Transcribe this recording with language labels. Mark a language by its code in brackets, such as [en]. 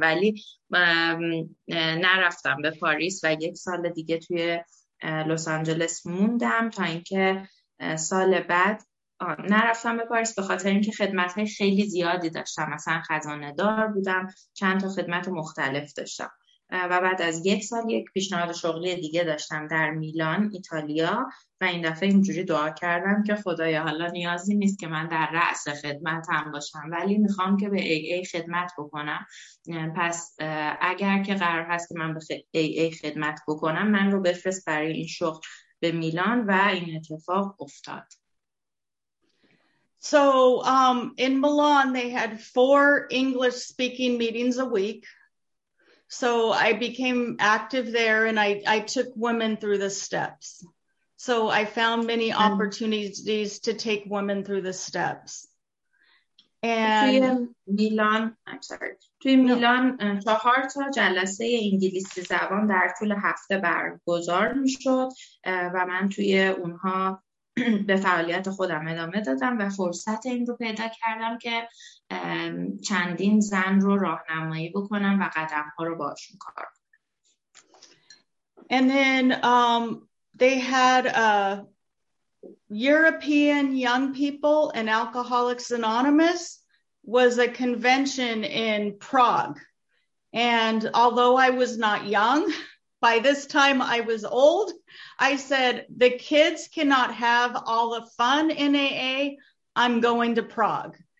[fa] ولی نرفتم به پاریس و 1 سال دیگه توی لس آنجلس موندم تا اینکه سال بعد نرفتم به پاریس، به خاطر اینکه خدمت‌های خیلی زیادی داشتم، مثلا خزانه دار بودم، چند تا خدمت مختلف داشتم و بعد از 1 سال یک پیشنهاد شغلی دیگه داشتم در میلان ایتالیا و این دفعه اینجوری دعا کردم که خدایا حالا نیازی نیست که من در رأس خدمتم باشم، ولی میخوام که به AA خدمت بکنم. پس اگر که قرار هست که من به AA خدمت بکنم، من رو بفرست برای این شغل به میلان و این اتفاق افتاد. [en] So in Milan they had 4 English speaking meetings a week. So I became active there and I took women through the steps. So I found many opportunities to take women through the steps. And [fa] توی میلان توی میلان 4 تا جلسه انگلیسی زبان در طول هفته برگزار می‌شد و من توی اونها به فعالیت خودم ادامه دادم و فرصت این رو پیدا کردم که چندین زن رو راهنمایی بکنم و قدم ها رو باشون کار کنم. [en] And then they had European Young People and Alcoholics Anonymous was a convention in Prague. And although I was not young, by this time I was old, I said, the kids cannot have all the fun in AA, I'm going to Prague.